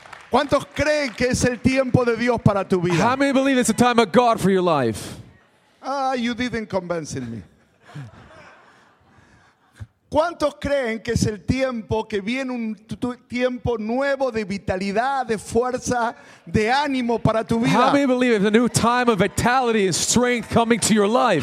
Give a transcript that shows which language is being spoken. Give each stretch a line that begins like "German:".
Spanish: ¿Cuántos creen que es el tiempo de Dios para tu vida?
English: How many believe it's the time of God for your life? Ah, you didn't convince me.
Spanish: ¿Cuántos creen que es el tiempo que viene un tiempo nuevo de vitalidad, de fuerza, de ánimo para tu vida?
English: How many believe it's a new time of vitality and strength coming to your life?